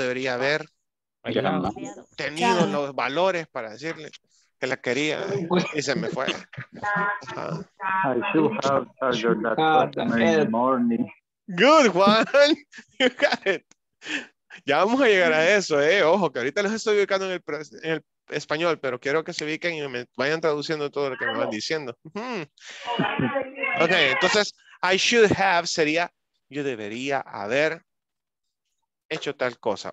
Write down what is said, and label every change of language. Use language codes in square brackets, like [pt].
[es] Debería haber comprado, debería haber escrito, debería haber tenido los valores para decirle que la quería y se me fue. [en] I should have told you that in the morning. Good, Juan. You got it. [es] Ya vamos a llegar a eso, ojo, que ahorita los estoy ubicando en el español, pero quiero que se ubiquen y me vayan traduciendo todo lo que me van diciendo. Ok, entonces, [en] I should have [es] sería, yo debería haber hecho tal cosa.